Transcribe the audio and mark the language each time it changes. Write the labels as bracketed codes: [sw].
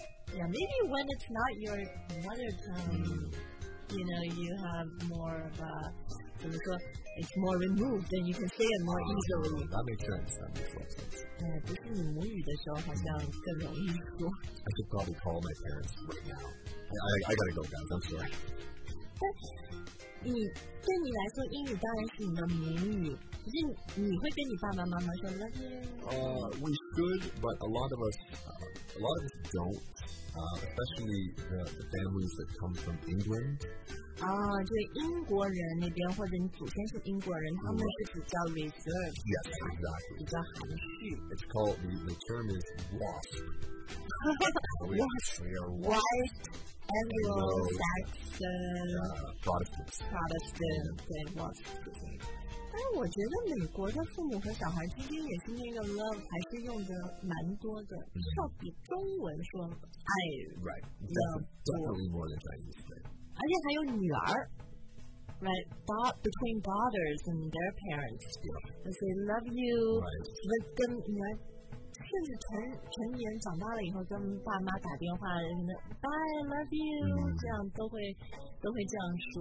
[en] Yeah, maybe when it's not your mother tongue you know you have more of a [zh] 怎么说 [en] it's more removed and you can say it more easily. That makes sense. That makes sense. [zh] 不是你母语的时候好像更容易说。 [en] I should probably call my parents right now. I gotta go guys, I'm sorry. [zh] 对你来说英语当然是你的母语，可是你会跟你爸爸妈妈说 [en] love you? We should, but a lot of us don't. Especially the families that come from England. [zh] Ah, 对英国人那边或者你祖先是英国人，他们是比较 reserved. [en] Yes, exactly. [zh] 比较含蓄。 [en] It's called the term is WASP. WASP. We are WASP. Anglo-Saxon. Protestant. And WASP. [zh] 但我觉得美国的父母和小孩之间也是那个 love 还是用的蛮多的，要比中文说爱 [en] right definitely more than Chinese, [zh] 而且还有女儿 [en] right between daughters and their parents they say love you right [zh] 跟女儿甚至成年长大了以后跟爸妈打电话 [en] bye love you、 [zh] 这样都会这样说